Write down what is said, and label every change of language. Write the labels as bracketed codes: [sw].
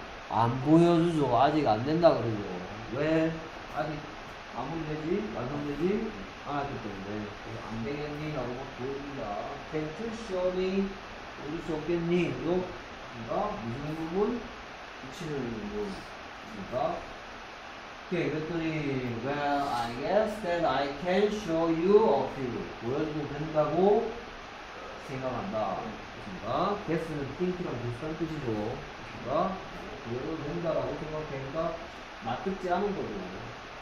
[ko] 안 보여주죠. 아직 안 된다 그러죠. 왜? 아직 아무래도 완성되지 않았기 때문에. 안 되겠니? 라고 보여준다. [en] Can't you show me? [ko] 보여줄 수 없겠니? 이거 그러니까 무슨 부분? 붙이는 부분. 그러니까 오케이. 그랬더니 [en] Well, I guess that I can show you a few. [ko] 보여주면 된다고 생각한다. 그러니까 guess는 think랑 비슷한 뜻이죠. 그러니까 보여줘도 된다라고 생각하니까 맞듣지 않은 거죠.